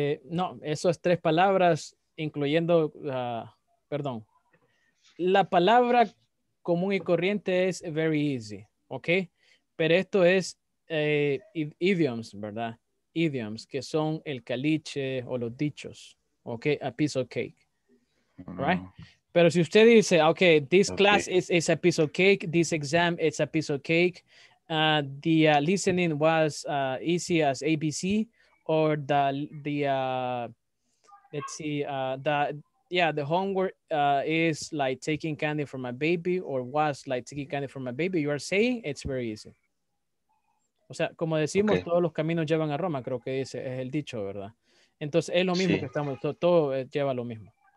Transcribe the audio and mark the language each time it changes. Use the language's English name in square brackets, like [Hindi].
[Spanish] No, esas tres palabras, incluyendo, perdón, la palabra común y corriente es [English] very easy, [Spanish] ¿ok? Pero esto es idioms, ¿verdad? Idioms, que son el caliche o los dichos, ¿ok? [English] A piece of cake, ¿right? [Spanish] Pero si usted dice, [English] okay, this class is a piece of cake, this exam is a piece of cake, the listening was easy as ABC, or the homework is like taking candy from a baby, or was like taking candy from a baby, you are saying it's very easy. [Spanish] O sea, como decimos, okay, todos los caminos llevan a Roma, creo que dice, es el dicho, ¿verdad? Entonces, es lo mismo, sí, que estamos, todo lleva lo mismo.